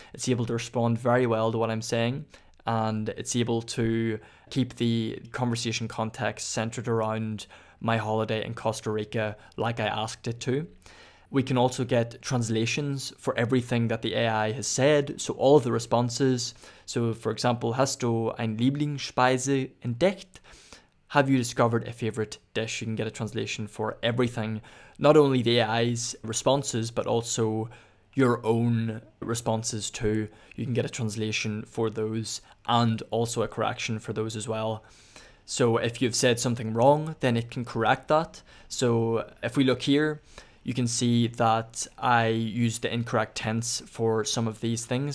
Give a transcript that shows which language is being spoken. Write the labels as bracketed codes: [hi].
[en] It's able to respond very well to what I'm saying, and it's able to keep the conversation context centered around my holiday in Costa Rica like I asked it to. We can also get translations for everything that the AI has said, so all of the responses. So for example, [de] hast du ein Lieblingsspeise entdeckt? [en] Have you discovered a favorite dish? You can get a translation for everything, not only the AI's responses, but also your own responses too. You can get a translation for those and also a correction for those as well. So if you've said something wrong, then it can correct that. So if we look here, you can see that I used the incorrect tense for some of these things.